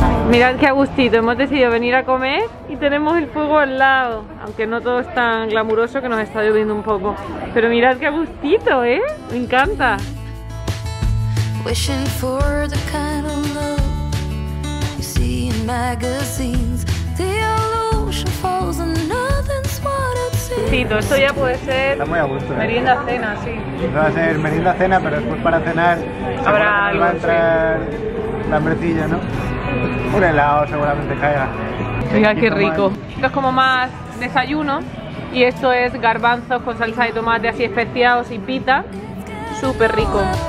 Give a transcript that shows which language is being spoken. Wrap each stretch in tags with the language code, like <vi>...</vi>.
<es>Mirad qué agustito, hemos decidido venir a comer y tenemos el fuego al lado. Aunque no todo es tan glamuroso, que nos está lloviendo un poco. Pero mirad qué agustito, ¿eh? Me encanta.</es> <en>Wishing for the kind of love you see in magazines. The illusion falls and nothing's what it seems.</en> <es>Tito, esto ya puede ser. Está muy a gusto, ¿eh? Merienda cena, sí. Esto va a ser merienda cena, pero después para cenar habrá algo. Va a entrar la hambrecilla, ¿no? Un helado seguramente caiga. Mira qué rico. Esto es como más desayuno y esto es garbanzos con salsa de tomate así especiados y pita. Súper rico.</es>